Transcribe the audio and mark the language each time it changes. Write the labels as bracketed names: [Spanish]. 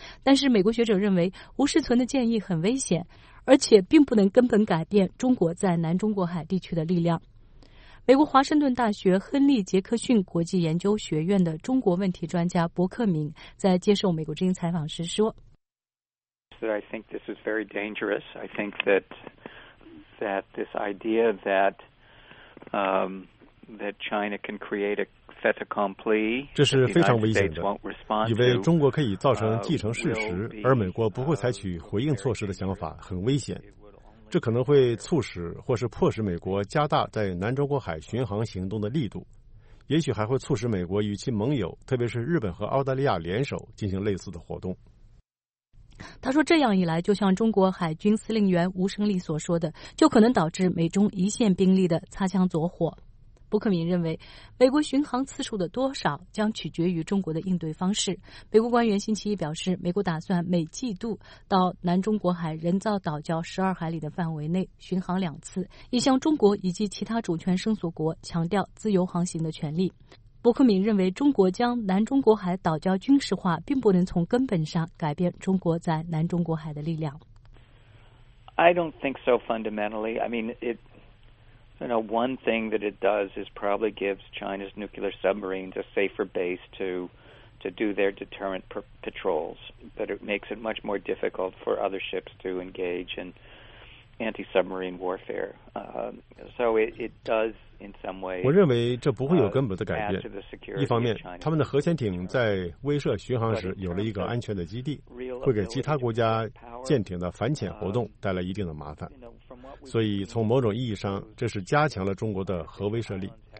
[Chinese] 但是美国学者认为吴世存的建议很危险，而且并不能根本改变中国在南中国海地区的力量。美国华盛顿大学亨利·杰克逊国际研究学院的中国问题专家伯克明在接受美国之音采访时说 [English] I think this is very dangerous. I think that this idea that China can create a fait accompli, [Chinese] 这是非常危险的，以为中国可以造成既成事实而美国不会采取回应措施的想法很危险。这可能会促使或是迫使美国加大在南中国海巡航行动的力度，也许还会促使美国与其盟友，特别是日本和澳大利亚联手进行类似的活动。他说这样一来，就像中国海军司令员吴胜利所说的，就可能导致美中一线兵力的擦枪走火。伯克敏认为美国巡航次数的多少将取决于中国的应对方式。美国官员星期一表示，美国打算每季度到南中国海人造岛礁12海里的范围内巡航两次，以向中国以及其他主权声索国强调自由航行的权利。伯克敏认为中国将南中国海岛礁军事化并不能从根本上改变中国在南中国海的力量。 [English] I don't think so fundamentally. I mean, itYou know, one thing that it does is probably gives China's nuclear submarines a safer base to do their deterrent patrols, but it makes it much more difficult for other ships to engage in anti-submarine warfare. So it does in some ways. [Chinese] 我认为这不会有根本的改变。一方面，他们的核潜艇在威慑巡航时有了一个安全的基地，会给其他国家舰艇的反潜活动带来一定的麻烦。所以从某种意义上，这是加强了中国的核威慑力。